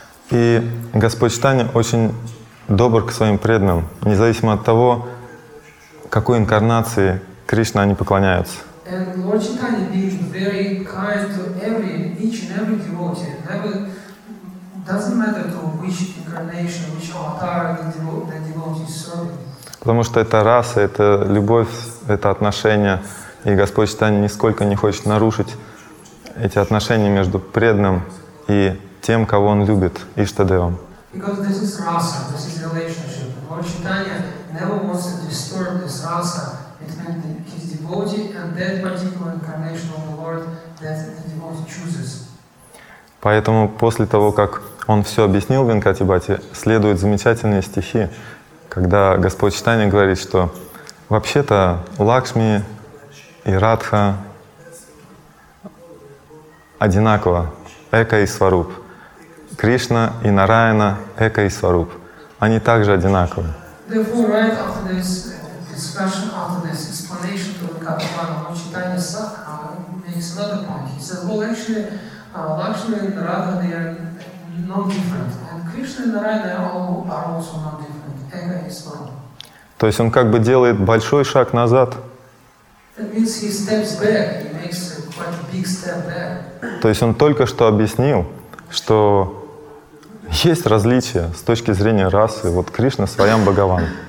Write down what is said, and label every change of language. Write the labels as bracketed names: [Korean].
[Russian] И Господь Читания очень добр к своим преданным, независимо от того, какой инкарнации Кришна они поклоняются. [English] And Lord Chaitanya being very kind to each and every devotee, never doesn't matter to which incarnation, which avatar the devotee is serving. [Russian] Потому что это раса, это любовь, это отношения, и Господь Chaitanya нисколько не хочет нарушить эти отношения между преданным и тем, кого он любит, Иштадевом. [English] Because this is rasa, this is relationship. Lord Chaitanya never wants to disturb this rasa between his devotee and that particular incarnation of the Lord that the devotee chooses. [Russian] Поэтому после того, как он все объяснил Венкати Бхати, следуют замечательные стихи, когда Господь Читания говорит, что вообще-то Лакшми и Радха одинаково, эко и сваруп. Кришна и Нараяна — эко и сваруп. Они также одинаковы. [English] Therefore, right after this discussion, after this explanation to Venkata Bhati, Lord Chaitanya makes another point. He says, well, actually, Lakshmi and Radha, they are non-different. And Krishna and Narayana are also non-different. [Russian] Эко и сваруп. То есть он как бы делает большой шаг назад. [English] That means he steps back. He makes quite a big step back. [Russian] То есть он только что объяснил, что есть различия с точки зрения расы. Вот Кришна — Своям Бхагаван.